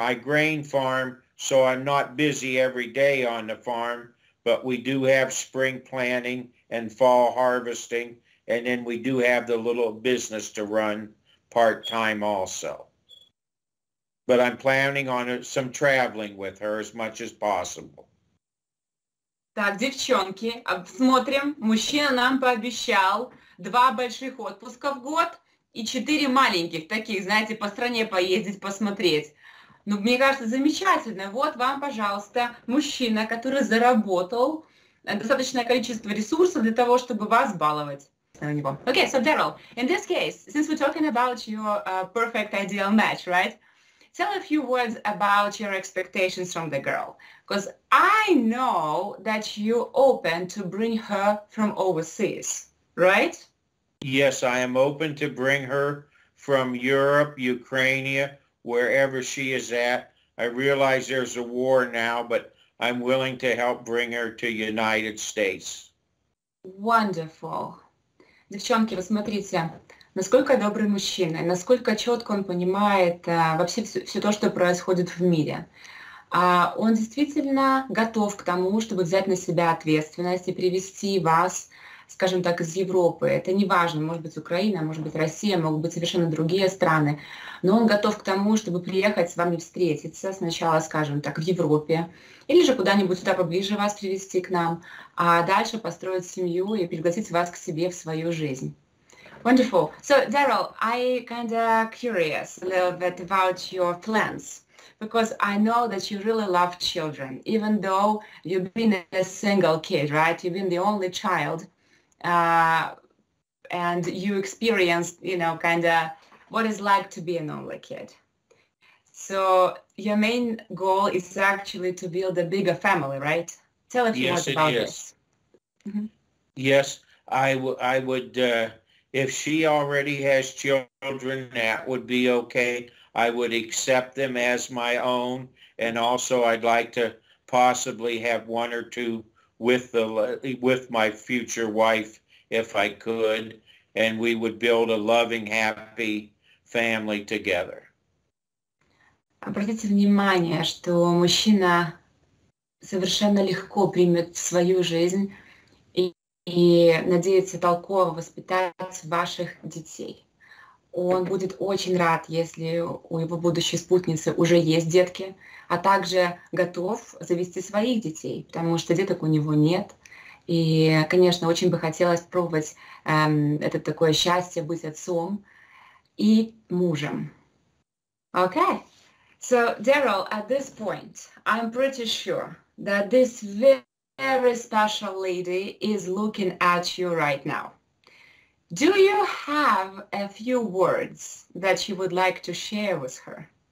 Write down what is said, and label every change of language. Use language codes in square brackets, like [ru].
[en] I grain farm, so I'm not busy every day on the farm, but we do have spring planting and fall harvesting, and then we do have the little business to run part-time also. But I'm planning on some traveling with her as much as possible. [ru] Так, девчонки, смотрим. Мужчина нам пообещал 2 больших отпуска в год и 4 маленьких таких, знаете, по стране поездить, посмотреть. Ну, мне кажется, замечательно. Вот вам, пожалуйста, мужчина, который заработал достаточное количество ресурсов для того, чтобы вас баловать. [en] Okay, so Daryl, in this case, since we're talking about your perfect ideal match, right? Tell a few words about your expectations from the girl. Because I know that you open to bring her from overseas, right? Yes, I am open to bring her from Europe, Ukraine, wherever she is at. I realize there's a war now, but I'm willing to help bring her to United States. Wonderful. [ru] Девчонки, вы смотрите, насколько добрый мужчина, насколько четко он понимает вообще все то, что происходит в мире. Он действительно готов к тому, чтобы взять на себя ответственность и привести вас, скажем так, из Европы. Это не важно, может быть, Украина, может быть, Россия, могут быть совершенно другие страны. Но он готов к тому, чтобы приехать с вами встретиться сначала, скажем так, в Европе, или же куда-нибудь сюда поближе вас привезти к нам, а дальше построить семью и пригласить вас к себе в свою жизнь. [en] Wonderful. So, Daryl, I kind of curious a little bit about your plans. Because I know that you really love children, even though you've been a single kid, right? You've been the only child. And you experienced, you know, kind of what it's like to be an only kid. So your main goal is actually to build a bigger family, right? Tell us yes, about this. Yes, mm-hmm. Yes, I would, if she already has children, that would be okay. I would accept them as my own. And also I'd like to possibly have 1 or 2 with my future wife, if I could, and we would build a loving, happy family together. [ru] Обратите внимание, что мужчина совершенно легко примет свою жизнь и надеется толково воспитать ваших детей. Он будет очень рад, если у его будущей спутницы уже есть детки, а также готов завести своих детей, потому что деток у него нет. И, конечно, очень бы хотелось пробовать это такое счастье быть отцом и мужем. Okay. [en] So, Daryl, at this point, I'm pretty sure that this very special lady is looking at you right now. Do you have a few words that you would like to share with her?